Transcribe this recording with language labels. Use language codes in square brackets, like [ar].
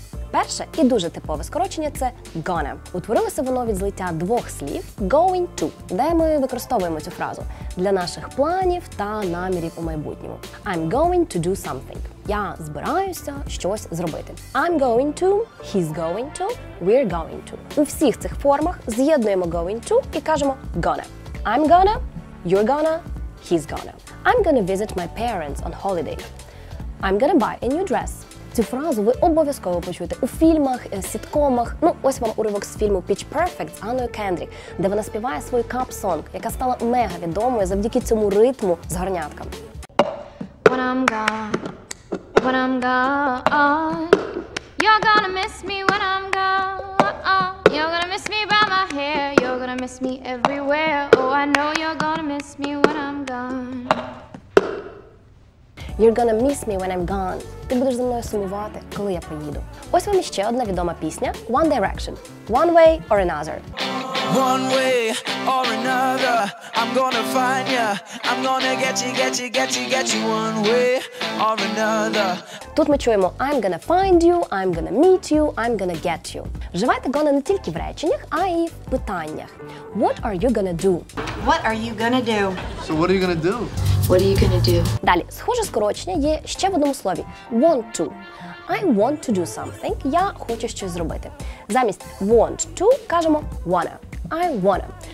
[uk] Перше і дуже типове скорочення – це gonna. Утворилося воно від злиття двох слів going to, де ми використовуємо цю фразу для наших планів та намірів у майбутньому. [en] I'm going to do something. [uk] Я збираюся щось зробити. [en] I'm going to, he's going to, we're going to. [uk] У всіх цих формах з'єднуємо going to і кажемо gonna. [en] I'm gonna, you're gonna, he's gonna. I'm gonna visit my parents on holiday. I'm gonna buy a new dress. [uk] Цю фразу ви обов'язково почуєте у фільмах, сіткомах. Ну, ось вам уривок з фільму Pitch Perfect з Анною Кендрік, де вона співає свій кап-сонг, яка стала мега відомою завдяки цьому ритму з горнятками. [en] When I'm gone, when I'm gone, you're gonna miss me when I'm gone. You're gonna miss me by my hair, you're gonna miss me everywhere. Oh, I know you're gonna miss me when I'm gone. You're gonna miss me when I'm gone. [uk] Ти будеш за мною сумувати, коли я поїду. Ось вам ще одна відома пісня One Direction. One way or another. [en] One way or another. I'm gonna find ya. I'm gonna get you, get you, get you, get you. One way or another. [uk] Тут ми чуємо [en] I'm gonna find you, I'm gonna meet you, I'm gonna get you. [uk] Вживайте gonna не тільки в реченнях, а й в питаннях. [en] What are you gonna do? What are you gonna do? So what are you gonna do? What are you gonna do? [uk] Далі, схоже скорочення є ще в одному слові – want to. [en] I want to do something – [uk] я хочу щось зробити. Замість [en] want to [uk] кажемо [en] wanna – I wanna.